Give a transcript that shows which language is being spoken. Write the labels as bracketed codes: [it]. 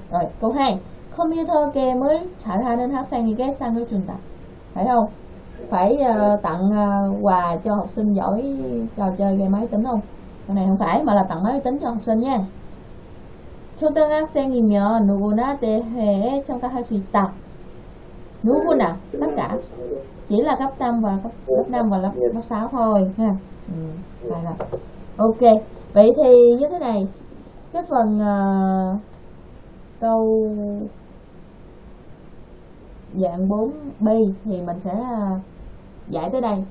[vi] Rồi câu 2, [ko] computer gamer 잘하는 학생에게 상을 준다. [vi] Thấy không? Phải tặng quà cho học sinh giỏi trò chơi game máy tính không? Cái này không phải mà là tặng máy tính cho học sinh nha. [ko] 초등학생이면 누구나 대회에 참가할 수 있다. [vi] 누구나 tất cả. Chỉ là cấp 3 và cấp 5 và lớp 6 thôi ha. Phải rồi. Ok. Vậy thì như thế này. Cái phần câu dạng 4B thì mình sẽ giải tới đây.